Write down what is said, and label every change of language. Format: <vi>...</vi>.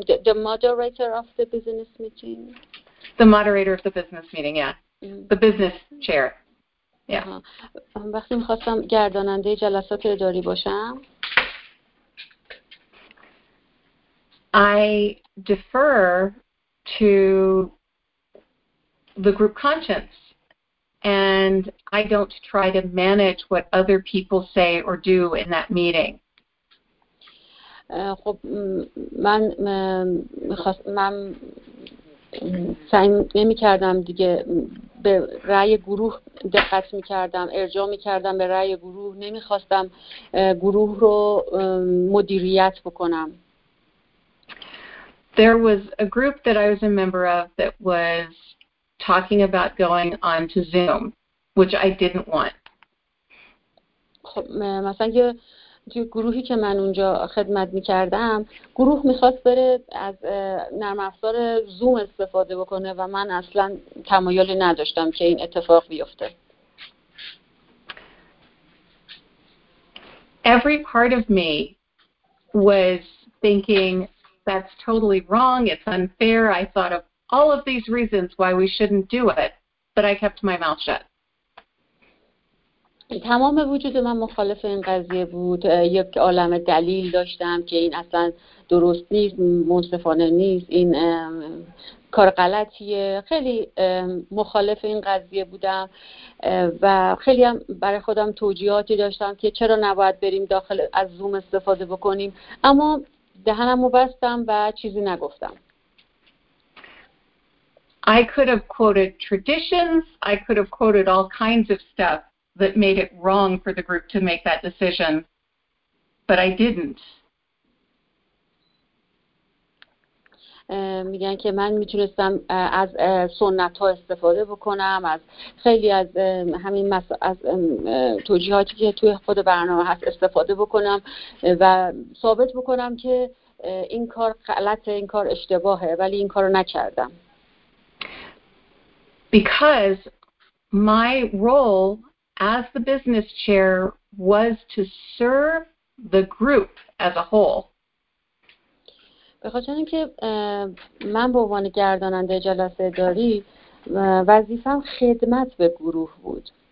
<en>The moderator of the business meeting. The moderator of the business meeting, yeah. The business chair. Yeah.</en> <fa>وقتی میخواستم گرداننده جلسات اداری باشم.</fa> <en>I defer to the group conscience. And I don't try to manage what other people say or do in that meeting.</en> <fa>خب من میخواست من سعی نمی کردم دیگه به رأی گروه دقت می کردم، ارجاع می کردم به رأی گروه، نمی خواستم گروه رو مدیریت بکنم.</fa> <en>There was a group that I was a member of that was talking about going on to Zoom, which I didn't want.</en> <fa>خب مثلا یه گروهی که من اونجا خدمت می‌کردم، گروه می‌خواست بره از نرم افزار زوم استفاده بکنه و من اصلا تمایلی نداشتم که این اتفاق بیفته.</fa> <en>Every part of me was thinking that's totally wrong, it's unfair. I thought of all of these reasons why we shouldn't do it, but I kept my mouth shut.</en> <fa>تمام وجود من مخالف این قضیه بود. یک عالم دلیل داشتم که این اصلا درست نیست، منصفانه نیست، این کار غلطیه. خیلی مخالف این قضیه بودم و خیلی هم برای خودم توجیهاتی داشتم که چرا نباید بریم داخل از زوم استفاده بکنیم، اما دهنمو بستم و چیزی نگفتم.</fa> <en>I could have quoted traditions, I could have quoted all kinds of stuff that made it wrong for the group to make that decision, but I didn't.</en> <fa>میگن که من میتونستم از سنت ها استفاده بکنم، از خیلی از همین از توجیهاتی که توی خود برنامه هست استفاده بکنم و ثابت بکنم که این کار غلطه، این کار اشتباهه، ولی این کارو نکردم.</fa> <en>Because my role as the business chair was to serve the group as a whole.</en> <fa>به خاطر اینکه من به عنوان گرداننده جلسه اداری وظیفه‌ام خدمت به گروه بود.</fa>